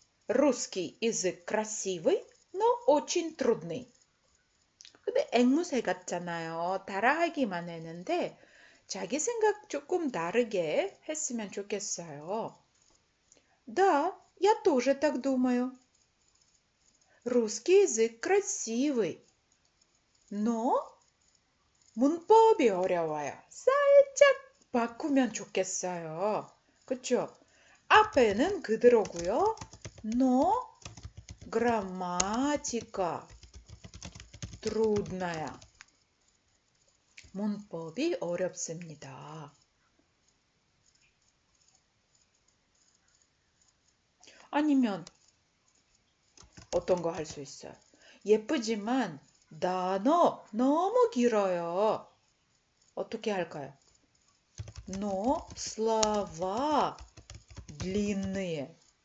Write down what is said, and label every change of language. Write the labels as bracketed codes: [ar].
[ru] Русский язык красивый, но очень трудный. [ko] 근데 앵무새 같잖아요. 따라하기만 했는데 자기 생각 조금 다르게 했으면 좋겠어요. [ru] Да, я тоже так думаю. Русский язык красивый, но [ko] 문법이 어려워요. 살짝 바꾸면 좋겠어요. 그쵸? 앞에는 그대로고요. [ru] Но грамматика. [ko] 드루드나야. 문법이 어렵습니다. 아니면 어떤 거할수 있어요? 예쁘지만 단어 너무 길어요. 어떻게 할까요? [ru] No слова длинные.